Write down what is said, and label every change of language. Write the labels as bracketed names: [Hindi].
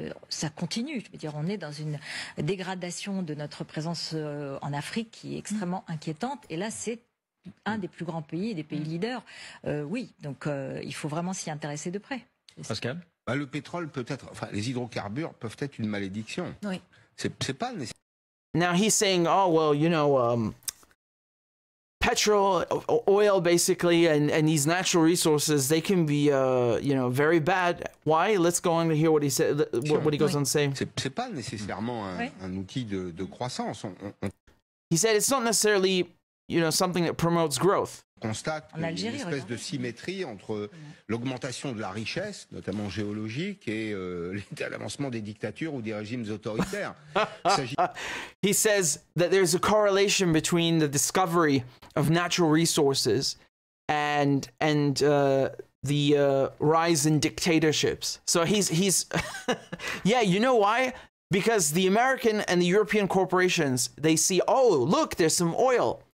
[French] Ça continue, je veux dire, on est dans une dégradation de notre présence en Afrique qui est extrêmement inquiétante, et là, c'est un des plus grands pays, des pays leaders. Oui, donc il faut vraiment s'y intéresser de près. Pascal, bah, le pétrole peut être, enfin les hydrocarbures peuvent être une malédiction. Oui. C'est pas. [English] Now he's saying, oh well, you know, petrol, oil, basically, and these natural resources, they can be, you know, very bad. Why? Let's go on to hear what he said. What he goes on to say. [French] C'est pas nécessairement un outil de croissance. [English] He said it's not necessarily, you know, something that promotes growth. [French] Constate en Algérie, une espèce de symétrie entre l'augmentation de la richesse, notamment géologique, et l'avancement des dictatures ou des régimes autoritaires. [English] He says that there's a correlation between the discovery of natural resources and the rise in dictatorships. So he's yeah, you know why? Because the American and the European corporations, they see, oh, look, there's some oil.